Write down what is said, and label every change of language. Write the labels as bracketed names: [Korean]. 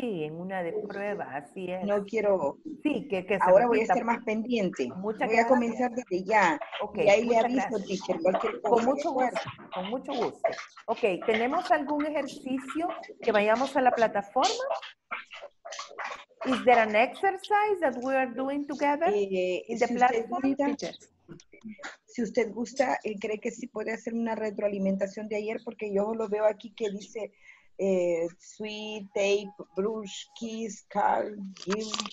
[Spanish] Sí, en una de prueba, así es. No quiero... Sí, que se ahora voy a estar más pendiente. Muchas gracias. A comenzar desde ya. Okay, y ahí le aviso, teacher, cualquier cosa. Con mucho gusto, con mucho gusto. Ok, ¿tenemos algún ejercicio que vayamos a la plataforma? [English] Is there an exercise that we are doing together in the platform? [Spanish] Si usted gusta, cree que sí puede hacer una retroalimentación de ayer, porque yo lo veo aquí que dice [English] sweet, tape, brush, kiss, car, gym.